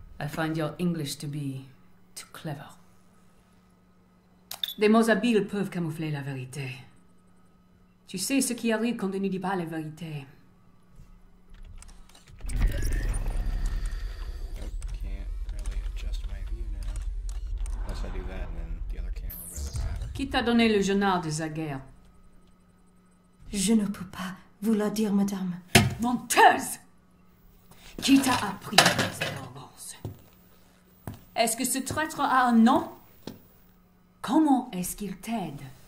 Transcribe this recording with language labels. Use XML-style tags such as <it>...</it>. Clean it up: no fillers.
<en>I find your English to be too clever.</en> <fr>Des mots habiles peuvent camoufler la vérité. Tu sais ce qui arrive quand on ne dit pas la vérité.</fr> <en>I can't really adjust my view now. Unless I do that and then the other camera will matter.</en> <fr>Qui t'a donné le journal de Zaguerre? Je ne peux pas vous le dire, madame. Menteuse! Qui t'a appris cette romance? Est-ce que ce traître a un nom? Comment est-ce qu'il t'aide?</fr>